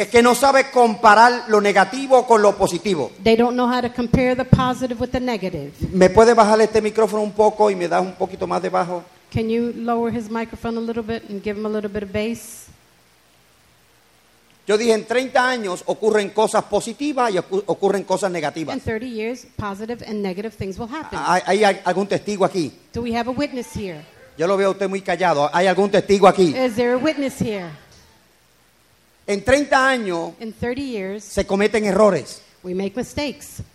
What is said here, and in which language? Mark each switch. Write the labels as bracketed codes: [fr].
[es] es que no sabe comparar lo negativo con lo positivo. [en] They don't know how to compare the positive with the negative. [es] ¿Me puede bajar este micrófono un poco y me das un poquito más de bajo? [en] Can you lower his microphone a little bit and give him a little bit of bass? [es] Yo dije, en 30 años ocurren cosas positivas y ocurren cosas negativas. [en] In 30 years, positive and negative things will happen. [es] ¿Hay algún testigo aquí? [en] Do we have a witness here? [es] Yo lo veo a usted muy callado. ¿Hay algún testigo aquí? [en] Is there a witness here? [es] En 30 años, [en] in 30 years, [es] se cometen errores. [en] We make mistakes.